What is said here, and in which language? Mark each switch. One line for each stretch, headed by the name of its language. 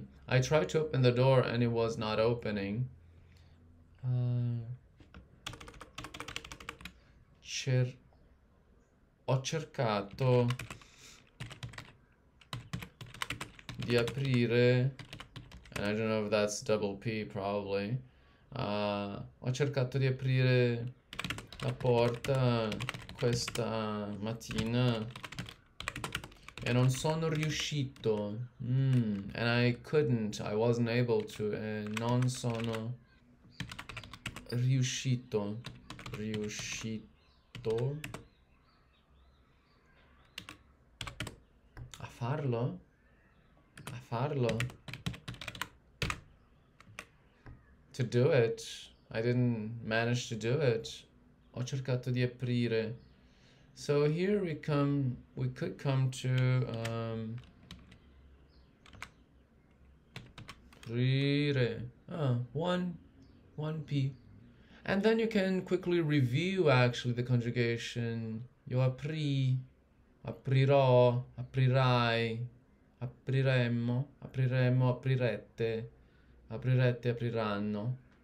English: I tried to open the door and it was not opening.
Italian: Ho cercato di aprire,
English: and I don't know if that's double P, probably.
Italian: Ho cercato di aprire la porta questa mattina. E non sono riuscito.
English: And I couldn't, I wasn't able to.
Italian: E non sono riuscito. Riuscito a farlo? A farlo?
English: To do it. I didn't manage to do it.
Italian: Ho cercato di aprire.
English: So here we come, we could come to aprire. Oh, one P. And then you can quickly review actually the conjugation.
Italian: Io aprì, aprirò, aprirai, apriremmo, apriremmo, aprirete, aprirete, apriranno.